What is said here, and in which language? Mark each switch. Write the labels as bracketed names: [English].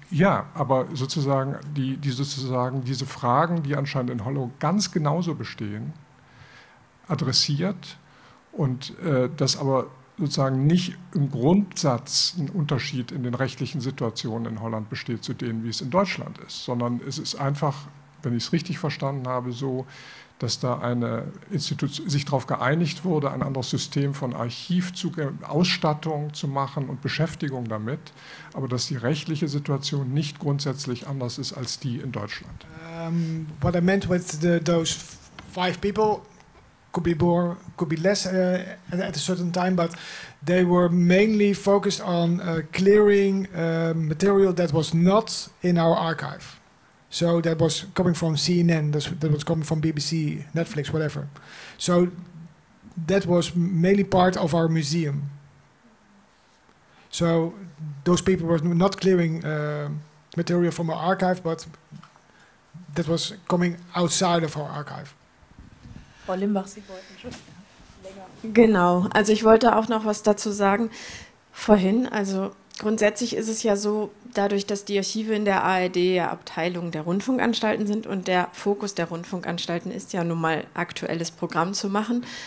[German] Ja, aber sozusagen, diese Fragen, die anscheinend in Holland ganz genauso bestehen, adressiert und das aber sozusagen nicht im Grundsatz ein Unterschied in den rechtlichen Situationen in Holland besteht zu denen, wie es in Deutschland ist, sondern es ist einfach, wenn ich es richtig verstanden habe, so, dass da eine Institution sich darauf geeinigt wurde, ein anderes System von Archivausstattung zu machen und Beschäftigung damit, aber dass die rechtliche Situation nicht grundsätzlich anders ist als die in Deutschland. [English] What I meant was those five people could be more, could be less at a certain time, but they were mainly focused on clearing material that was not in our archive. So that was coming from CNN, that was coming from BBC, Netflix, whatever. So that was mainly part of our museum. So those people were not clearing material from our archive, but that was coming outside of our archive. [German] Frau Limbach, Sie wollten schon länger. Genau, also ich wollte auch noch was dazu sagen vorhin, also grundsätzlich ist es ja so, dadurch, dass die Archive in der ARD ja Abteilungen der Rundfunkanstalten sind und der Fokus der Rundfunkanstalten ist ja nun mal aktuelles Programm zu machen.